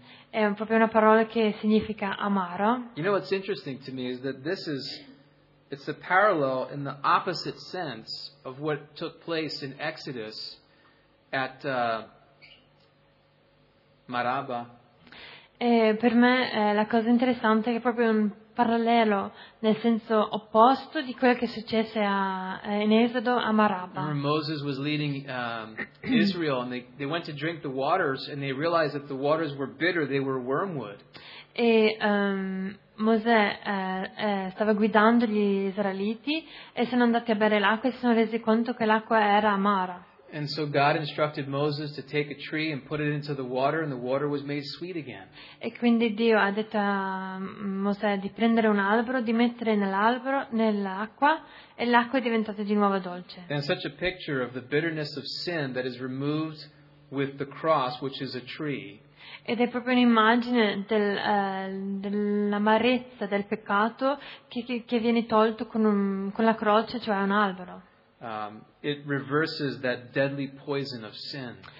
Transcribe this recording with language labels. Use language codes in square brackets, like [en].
[it] È proprio una parola che significa amaro. [en] You know what's interesting to me is that it's a parallel in the opposite sense of what took place in Exodus at Maraba. [it] Per me la cosa interessante è che è proprio un parallelo nel senso opposto di quello che successe in Esodo a Maraba. [en] Remember Moses was leading Israel and they went to drink the waters and they realized that the waters were bitter, they were wormwood. [it] E Mosè stava guidando gli israeliti e sono andati a bere l'acqua e si sono resi conto che l'acqua era amara. [en] And so God instructed Moses to take a tree and put it into the water, and the water was made sweet again. [it] E quindi Dio ha detto a Mosè di prendere un albero, di mettere nell'albero nell'acqua, e l'acqua è diventata di nuovo dolce. [en] And such a picture of the bitterness of sin that is removed with the cross, which is a tree. [it] Ed è proprio un'immagine dell'amarezza del peccato che viene tolto con la croce, cioè un albero. [en] It reverses that deadly poison of sin.